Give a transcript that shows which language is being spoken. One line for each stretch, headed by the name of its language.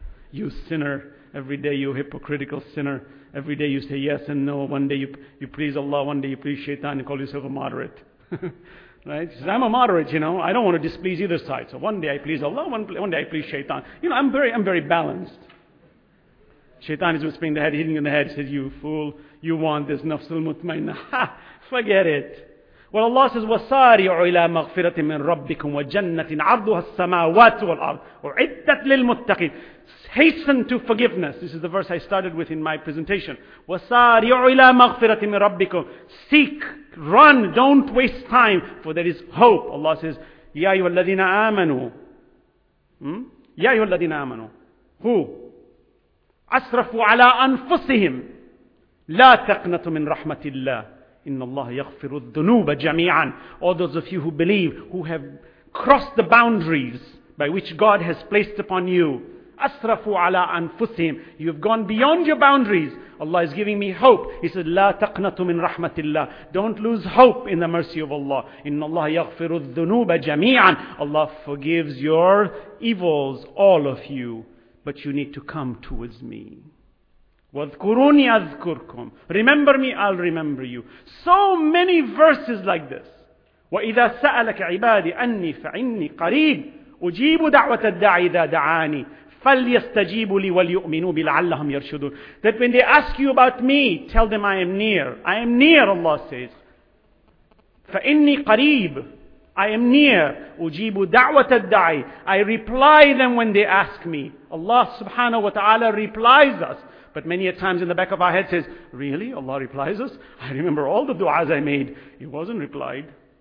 English: You sinner, every day you hypocritical sinner, every day you say yes and no, one day you please Allah, one day you please Shaitan and call yourself a moderate. Right? He says, I'm a moderate, you know, I don't want to displease either side. So one day I please Allah, one day I please Shaitan. You know, I'm very balanced. Shaitan is whispering the head, hitting in the head, says, you fool, you want this nafs al-mutmainna. Ha! Forget it. Well, Allah says,
Arabic: وَسَارِعُوا إِلَى مَغْفِرَةٍ مِّن رَبِّكُمْ وَجَنَّةٍ عَرْضُهَا السَّمَاوَاتُ وَالْأَرْضُ وَعِدَّتْ لِلْمُتَّقِينَ.
English: Hasten to forgiveness. This is the verse I started with in my presentation.
Arabic: وَسَارِعُوا إِلَى مَغْفِرَةٍ مِّن رَبِّكُمْ.
English: Seek, run, don't waste time, for there is hope. Allah says,
Arabic: يَا أَيُّهَا الَّذِينَ آمَنُوا. يَا أَيُّهَا الَّذِينَ آمَنُوا.
English: Who?
Arabic: أَسْرَفُوا عَلَىٰ أَنفُسِهِمْ. لَا تَقْنَطُوا مِن رَحْمَةِ اللَّهِ. إِنَّ اللَّهَ يَغْفِرُ الذُّنُوبَ جَمِيعًا.
English: All those of you who believe, who have crossed the boundaries by which God has placed upon you,
Arabic: أَسْرَفُوا عَلَىٰ أَنفُسِهِمْ.
English: You have gone beyond your boundaries. Allah is giving me hope. He said,
Arabic: لَا تَقْنَطُ مِن رَحْمَةِ اللَّهِ.
English: Don't lose hope in the mercy of Allah.
Arabic: إِنَّ اللَّهَ يَغْفِرُ الذُّنُوبَ جَمِيعًا.
English: Allah forgives your evils, all of you. But you need to come towards me.
Arabic: وَذْكُرُونِي أَذْكُرْكُمْ.
English: Remember me, I'll remember you. So many verses like this.
Arabic: وإذا سألك عبادي أني فعني قريب أجيب دعوة الداعي إذا دعاني فليستجيبوا لي وليؤمنوا بي لعلهم يرشدون.
English: That when they ask you about me, tell them I am near. I am near, Allah says.
Arabic: فإني قريب.
English: I am near.
Arabic: أجيب دعوة الداعي.
English: I reply them when they ask me. Allah subhanahu wa ta'ala replies us. But many a times in the back of our head says, really? Allah replies us? I remember all the du'as I made. It wasn't replied.